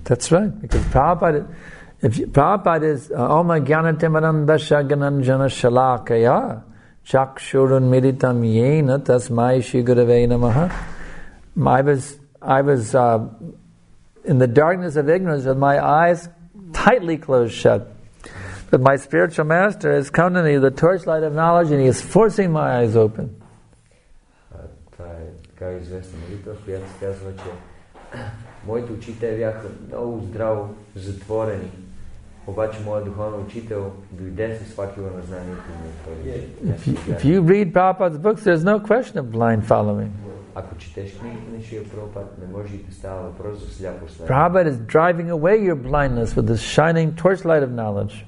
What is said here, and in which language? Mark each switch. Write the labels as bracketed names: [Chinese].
[English] That's right, because Prabhupada, if Prabhupada is [Sanskrit] Om Gyanate Maranda Shaganandjana Shalakaya Chakshurun Miritam Yena Tasmai Shri Gurave Namaha. [English] I was in the darkness of ignorance with my eyes tightly closed shut. But my spiritual master has come to me, the torchlight of knowledge, and he is forcing my eyes open. [Bulgarian] Така известна молитва, която казва, че моите учители бяха много здраво затворени. Обаче моят духовен учител дойде с факела на знанието ми. [English] If you read Prabhupada's books, there's no question of blind following. [Bulgarian] Ако четеш книгите на Шрила Прабхупада, не може да става въпрос за сляпо следване. [English] Prabhupada is driving away your blindness with the shining torchlight of knowledge.